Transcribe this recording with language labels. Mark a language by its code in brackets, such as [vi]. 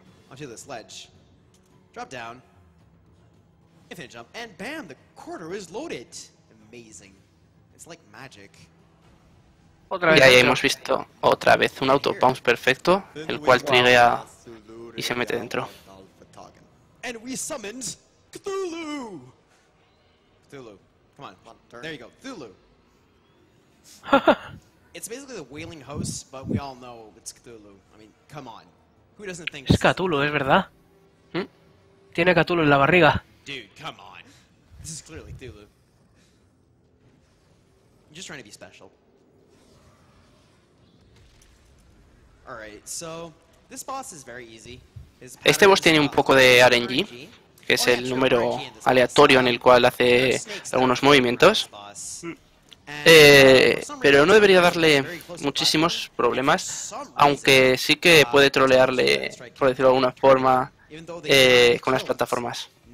[en] Onto this ledge, drop down, infinite jump, and bam, the quarter is loaded. Amazing. It's like magic. [es] Otra vez. Y ahí hemos visto otra vez un auto bounce perfecto, el cual triggea y se mete dentro. [en] And we summoned Cthulhu. Cthulhu, come on, turn. There you go, Cthulhu. It's basically the wailing host, but we all know it's Cthulhu. I mean, come on. [es] Es Cthulhu, es verdad. Tiene Cthulhu en la barriga. [en] Dude, come on. This is clearly Cthulhu. I'm just trying to be special. All right, so this boss is very easy. [es] Este boss tiene un poco de RNG, que es el número aleatorio en el cual hace algunos movimientos. Pero no debería darle muchísimos problemas, aunque sí que puede trolearle, por decirlo de alguna forma, con las plataformas.